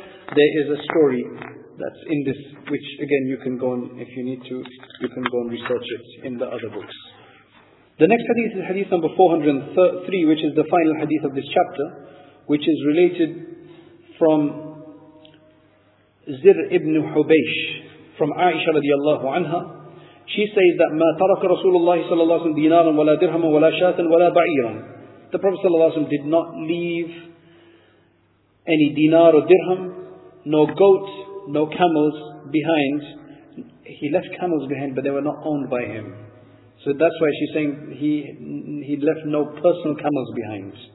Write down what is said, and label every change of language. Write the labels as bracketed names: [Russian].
[English] There is a story that's in this, which again, you can go and if you need to, you can go and research it in the other books. The next hadith is hadith number 403, which is the final hadith of this chapter, which is related from Zir ibn Hubaysh, from Aisha radiallahu anha. She says that [Arabic] ما ترك رسول الله صلى الله عليه وسلم دينارا ولا درهما ولا شاة ولا بعيرا. [English] The Prophet صلى الله عليه وسلم did not leave any dinar or dirham, no goat, no camels behind. He left camels behind, but they were not owned by him. So that's why she's saying he left no personal camels behind.